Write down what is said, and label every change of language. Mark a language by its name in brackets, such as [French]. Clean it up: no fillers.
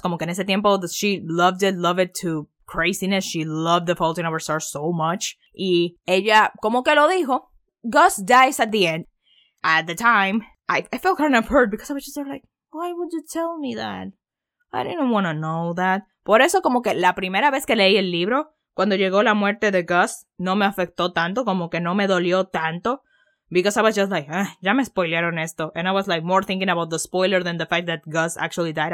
[Spanish] Como que en ese tiempo, [English] she loved it to craziness. She loved The Fault in Our Stars so much. [Spanish] Y ella, como que lo dijo, [English] Gus dies at the end. At the time, I felt kind of hurt because I was just there like, why would you tell me that? I didn't want to know that. [Spanish] Por eso como que la primera vez que leí el libro, cuando llegó la muerte de Gus, no me afectó tanto, como que no me dolió tanto. [English] Because I was just like, [Spanish] ya me spoilearon esto. [English] And I was like more thinking about the spoiler than the fact that Gus actually died.